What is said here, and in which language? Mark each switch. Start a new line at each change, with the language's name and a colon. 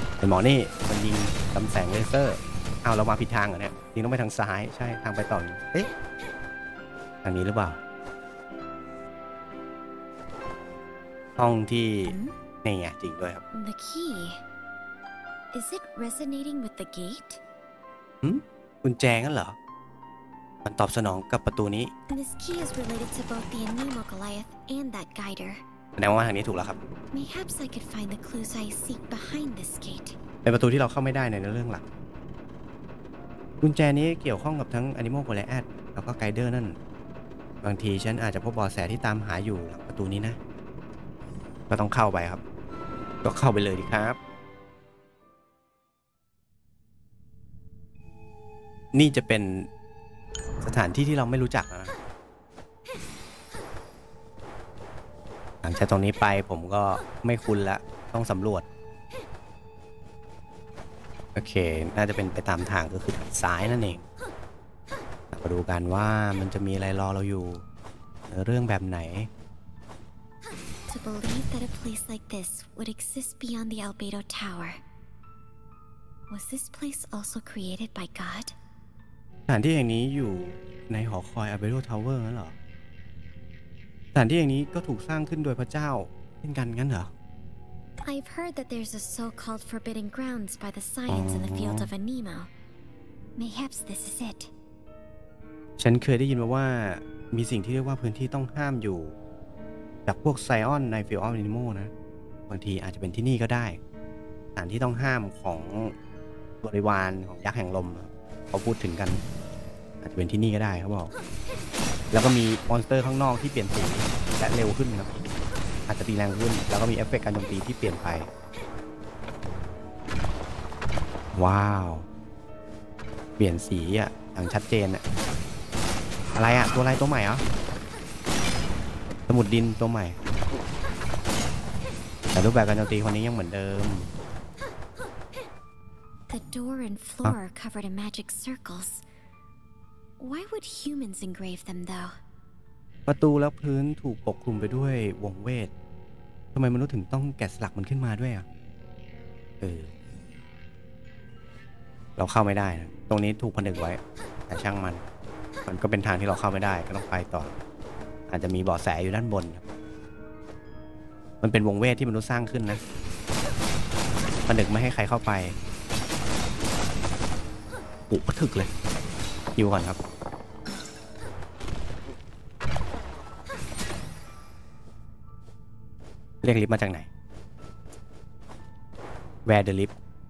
Thai: หมอนี่มันยิงลำแสงเลเซอร์เอาเรามาผิดทางเหรอเนี่ยยิงต้องไปทางซ้ายใช่ทางไปต่อนี่เอ๊ะทางนี้หรือเปล่าห้องที่นี่ไงจริงด้วยครับ
English: The key is it resonating with the gate
Thai: กุญแจงั้นเหรอมันตอบสนองกับประตูนี้
English: This key is related to both the Anemo Goliath and that guider
Thai: แสดงว่าทางนี้ถูกแล้วครับ
English: Mayhaps I could find the clues I seek behind this gate.
Thai: เป็นประตูที่เราเข้าไม่ได้ในเรื่องหลักกุญแจนี้เกี่ยวข้องกับทั้ง Animal Goliath แล้วก็ Guider นั่นบางทีฉันอาจจะพบบ่อแสที่ตามหาอยู่หลังประตูนี้นะก็ต้องเข้าไปครับก็เข้าไปเลยดีครับ นี่จะเป็นสถานที่ที่เราไม่รู้จักนะหลังจากตรงนี้ไปผมก็ไม่คุ้นละต้องสำรวจโอเคน่าจะเป็นไปตามทางก็คือทางซ้ายนั่นเองมาดูกันว่ามันจะมีอะไรรอเราอยู่เรื่องแบบไหน
English: To believe that a place like this would exist beyond the Albedo Tower Was this place also created by God?
Thai: สถานที่แห่งนี้อยู่ในหอคอย Albedo Tower นั่นหรอสถานที่อย่างนี้ก็ถูกสร้างขึ้นโดยพระเจ้าเช่นกันงั้นเหรอ
English: I've heard that there's a so-called forbidden grounds by the science in the field of Anemo. Mayhaps this is it.
Thai: ฉันเคยได้ยินมาว่ามีสิ่งที่เรียกว่าพื้นที่ต้องห้ามอยู่จากพวกไซออนใน Field of Anemo นะบางทีอาจจะเป็นที่นี่ก็ได้สถานที่ต้องห้ามของบริวารของยักษ์แห่งลมเขาพูดถึงกันอาจจะเป็นที่นี่ก็ได้เขาบอกแล้วก็มีมอนสเตอร์ข้างนอกที่เปลี่ยนสีและเร็วขึ้นครับอาจจะตีแรงขึ้นแล้วก็มีเอฟเฟกต์การโจมตีที่เปลี่ยนไป ว้าวเปลี่ยนสีอ่ะอย่างชัดเจนอ่ะอะไรอ่ะตัวอะไรตัวใหม่อ่ะสมุดดินตัวใหม่แต่รูปแบบการโจมตีคนนี้ยังเหมือนเดิม
English: The door and floor are covered in magic circlesWhy would humans engrave them, though?
Thai: ประตูและพื้นถูกปกคลุมไปด้วยวงเวททำไมมนุษย์ถึงต้องแกะสลักมันขึ้นมาด้วยอ่ะ เราเข้าไม่ได้ตรงนี้ถูกผนึกไว้แต่ช่างมันก็เป็นทางที่เราเข้าไม่ได้ก็ต้องไปต่ออาจจะมีบ่อแสอยู่ด้านบนมันเป็นวงเวทที่มนุษย์สร้างขึ้นนะผนึกไม่ให้ใครเข้าไปปุ๊บถึกเลยอยู่ก่อนครับเรียกลิฟต์มาจากไหน
English: Where the lift?